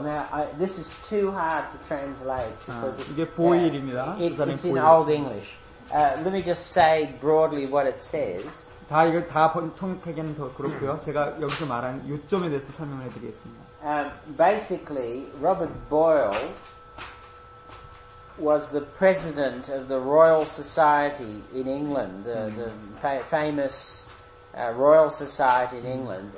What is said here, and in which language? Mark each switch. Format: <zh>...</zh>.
<en>Now, this is too hard to translate because</en> <ko>이게 보일입니다.</ko> <en>It's in old English. Let me just say broadly what it says.</en> <ko>다 이걸 다 통역하기는 더 그렇고요. 제가 여기서 말한 요점에 대해서 설명을 해드리겠습니다.</ko> <en>Basically, Robert Boyle was the president of the Royal Society in England, the famous Royal Society in England.</en>